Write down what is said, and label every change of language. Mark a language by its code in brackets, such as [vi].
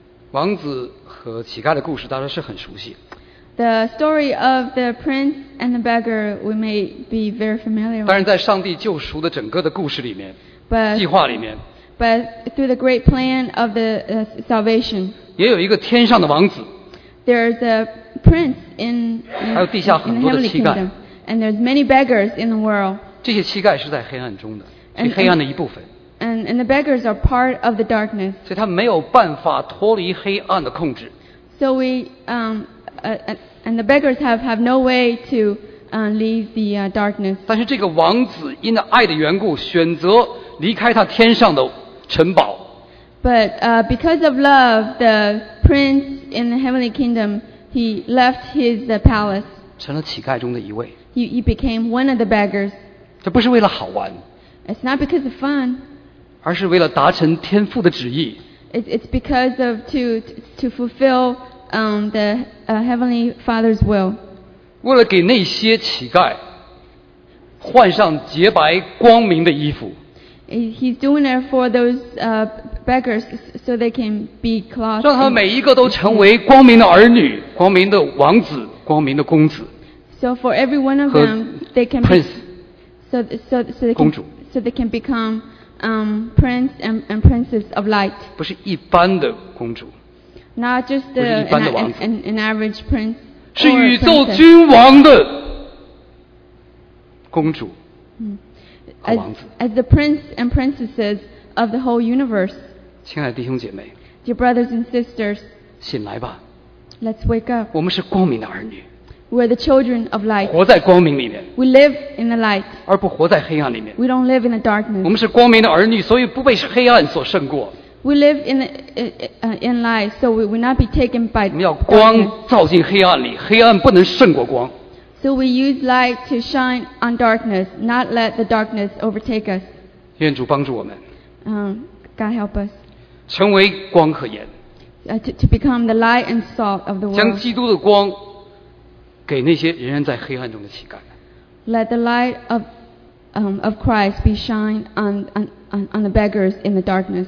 [zh] 王子和乞丐的故事大家是很熟悉。 [en] The story of the prince and the beggar we may be very familiar with. [zh] 但是在上帝救赎的整个的故事里面，计划里面。 [en] But through the great plan of the salvation. [zh] 也有一个天上的王子。 [en] There's a prince in the heavenly kingdom. And there's many beggars in the world. [zh] 这些乞丐是在黑暗中的，是黑暗的一部分。 [en] And the beggars are part of the darkness. [zh] 所以他没有办法脱离黑暗的控制。 [en] So we and the beggars have no way to leave the darkness. [zh] 但是这个王子因着爱的缘故，选择离开他天上的城堡。 [en] But because of love, the prince in the heavenly kingdom, he left his palace. [zh] 成了乞丐中的一位。 [en] He became one of the beggars. [zh] 这不是为了好玩。 [en] It's not because of fun. [zh] 而是为了达成天父的旨意。 [en] It's because of to fulfill the Heavenly Father's will. [zh] 为了给那些乞丐换上洁白光明的衣服。 [en] He's doing it for those beggars so they can be clothed. [zh] 让他每一个都成为光明的儿女，光明的王子，光明的公子。 [en] So for every one of them, they can prince. So they [zh] 公主。 [en] So they can become prince and princess of light. [zh] 不是一般的公主。 [en] Not just the, [zh] 不是一般的王子 [en] an average prince, [zh] 是宇宙君王的公主和王子 [en] as the prince and princesses of the whole universe. [zh] 亲爱的弟兄姐妹 [en] dear brothers and sisters, [zh] 醒来吧 [en] let's wake up. [zh] 我们是光明的儿女 [en] we're the children of light. [zh] 活在光明里面 [en] we live in the light. [zh] 而不活在黑暗里面 [en] we don't live in the darkness. [zh] 我们是光明的儿女，所以不被黑暗所胜过。 [en] We live in light, so we will not be taken by darkness. [zh] 我们要光照进黑暗里，黑暗不能胜过光。 [en] So we use light to shine on darkness, not let the darkness overtake us. [zh] 愿主帮助我们。 [en] God help us. [zh] 成为光和盐。 [en] To become the light and salt of the world. [zh] 将基督的光给那些仍然在黑暗中的乞丐。 [en] Let the light of Christ be shined on the beggars in the darkness.